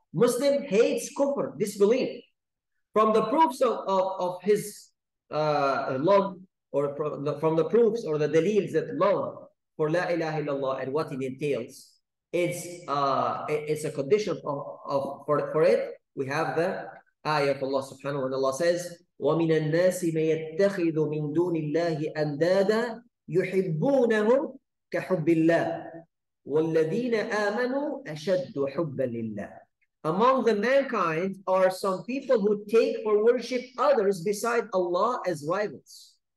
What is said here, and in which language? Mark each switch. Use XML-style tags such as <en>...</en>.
<en>Muslim hates kufr, disbelief. From the proofs of his love, or from the proofs or the deals that love for la ilaha illallah and what it entails, it's a condition for it. We have the ayah of Allah subhanahu wa ta'ala says,</en> <ar>وَمِنَ النَّاسِ مَيَتَّخِذُ مِن دُونِ اللَّهِ أَنْدَادًا يُحِبُّونَهُمْ كَحُبِّ اللَّهِ وَالَّذِينَ آمَنُوا أَشَدُّ حُبًّا لِلَّهِ.</ar> <en>Among the mankind are some people who take for worship others beside Allah as rivals.</en>